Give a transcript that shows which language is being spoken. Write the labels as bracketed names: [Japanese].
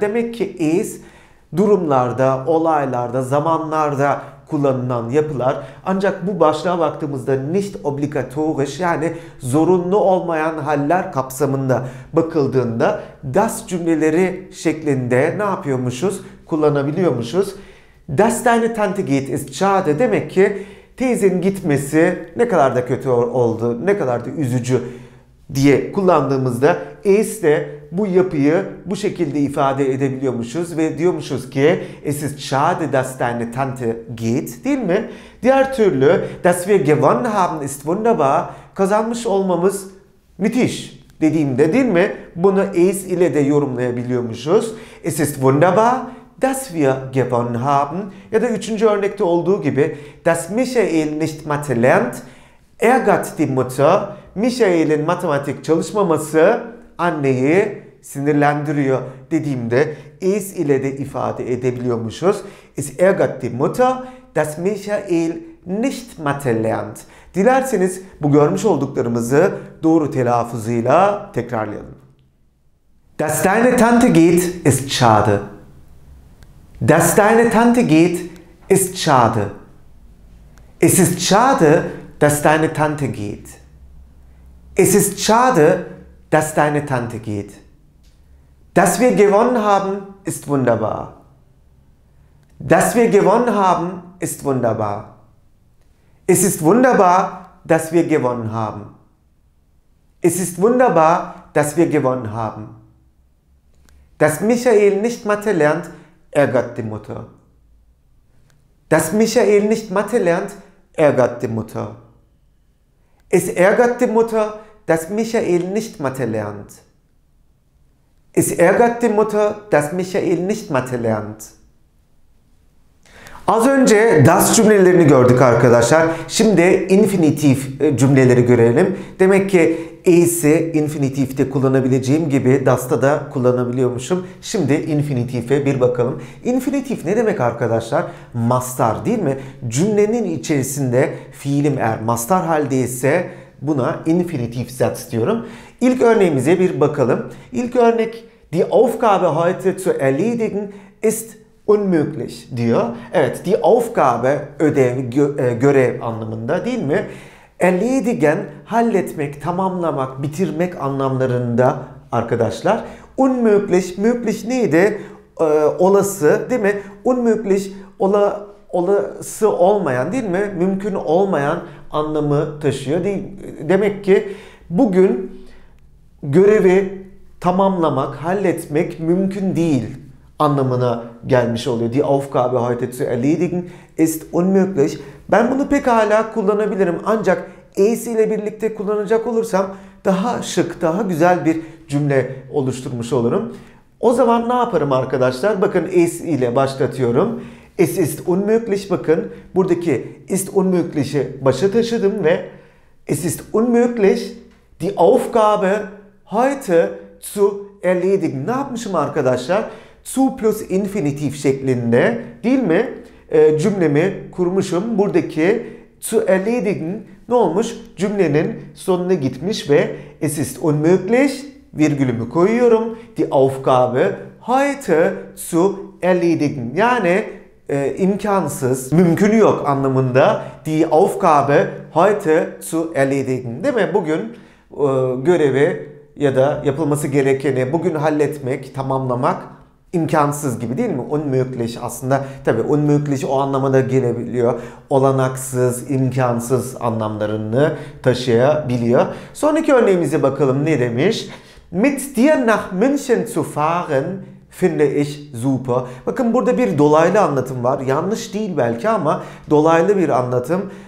[Turkish] Demek ki is durumlarda, olaylarda, zamanlarda kullanılan yapılar. Ancak bu başlığa baktığımızda nicht obligatorisch, yani zorunlu olmayan haller kapsamında bakıldığında das cümleleri şeklinde ne yapıyormuşuz? Kullanabiliyormuşuz. [German] Das deine Tante geht ist schade. [Turkish] Demek ki teyzenin gitmesi ne kadar da kötü oldu, ne kadar da üzücü diye kullandığımızda es de bu yapıyı bu şekilde ifade edebiliyormuşuz ve diyormuşuz ki [German] es ist schade, dass deine Tante geht, [Turkish] değil mi? Diğer türlü [German] dass wir gewonnen haben ist wunderbar, [Turkish] kazanmış olmamız müthiş dediğimde değil mi? Bunu es ile de yorumlayabiliyormuşuz. [German] Es ist wunderbar, dass wir gewonnen haben. Ja, [Turkish] da üçüncü örnekte olduğu gibi [German] dass Michael nicht Mathe lernt, ärgert die Mutter. [Turkish] Michael'in matematik çalışmaması anneyi sinirlendiriyor dediğimde is ile de ifade edebiliyormuşuz. [German] Es ärgert die Mutter, dass Michael nicht Mathe lernt. [Turkish] Dilerseniz bu görmüş olduklarımızı doğru telaffuzuyla tekrarlayalım. [German] Das deine Tante geht ist schade. Dass deine Tante geht, ist schade. Es ist schade, dass deine Tante geht. Es ist schade, dass deine Tante geht. Dass wir gewonnen haben, ist wunderbar. Dass wir gewonnen haben, ist wunderbar. Es ist wunderbar, dass wir gewonnen haben. Es ist wunderbar, dass wir gewonnen haben. Dass Michael nicht Mathe lernt, ärgert die Mutter. Dass Michael nicht Mathe lernt, ärgert die Mutter. Es ärgert die Mutter, dass Michael nicht Mathe lernt. Es ärgert die Mutter, dass Michael nicht Mathe lernt. [Turkish] Az önce das cümlelerini gördük arkadaşlar. Şimdi infinitif cümleleri görelim. Demek ki is'i infinitif'te kullanabileceğim gibi das'ta da kullanabiliyormuşum. Şimdi infinitif'e bir bakalım. Infinitif ne demek arkadaşlar? Mastar değil mi? Cümlenin içerisinde fiilim eğer mastar haldeyse buna infinitif zat diyorum. İlk örneğimize bir bakalım. İlk örnek: [German] Die Aufgabe heute zu erledigen ist unmöglich [Turkish] diyor. Evet, die Aufgabe ödev, görev anlamında değil mi? Erledigen, halletmek, tamamlamak, bitirmek anlamlarında arkadaşlar. Unmöglich, möglich neydi? Olası değil mi? Unmöglich, olası olmayan değil mi? Mümkün olmayan anlamı taşıyor. Demek ki bugün görevi tamamlamak, halletmek mümkün değil anlamına gelmiş oluyor. [German] Die Aufgabe heute zu erledigen ist unmöglich. [Turkish] Ben bunu pekala kullanabilirim ancak es ile birlikte kullanacak olursam daha şık, daha güzel bir cümle oluşturmuş olurum. O zaman ne yaparım arkadaşlar? Bakın es ile başlatıyorum. [German] Es ist unmöglich, [Turkish] bakın buradaki ist unmöglich'i başa taşıdım ve [German] es ist unmöglich die Aufgabe heute zu erledigen. [Turkish] Ne yapmışım arkadaşlar? Zu plus infinitif şeklinde değil mi? Cümlemi kurmuşum. Buradaki zu erledigen ne olmuş? Cümlenin sonuna gitmiş ve [German] es ist unmöglich, [Turkish] virgülümü koyuyorum, [German] die Aufgabe heute zu erledigen. [Turkish] Yani imkansız, mümkün yok anlamında [German] die Aufgabe heute zu erledigen. [Turkish] Değil mi? Bugün görevi ya da yapılması gerekeni bugün halletmek, tamamlamak imkansız gibi değil mi? Unmöglich aslında. Tabii unmöglich o anlamına gelebiliyor. Olanaksız, imkansız anlamlarını taşıyabiliyor. Sonraki örneğimize bakalım ne demiş? [German] Mit dir nach München zu fahren finde ich super. [Turkish] Bakın burada bir dolaylı anlatım var. Yanlış değil belki ama dolaylı bir anlatım.